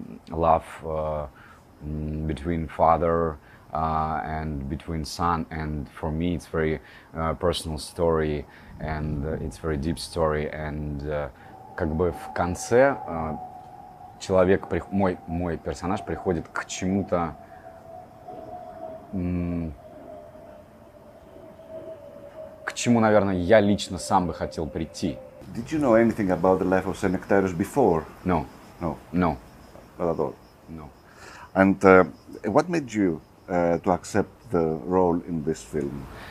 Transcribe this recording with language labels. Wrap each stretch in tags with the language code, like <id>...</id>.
<en>love between father and between son, and for me it's very personal story. And it's very deep story.</en> <ru>And как бы в конце человек, мой персонаж приходит к чему-то. К чему, наверное, я лично сам бы хотел прийти.</ru> <en>Did you know anything about the life of Saint Nectarius before? No. No. No. Not at all. No. And what made you to accept the role in this film?</en>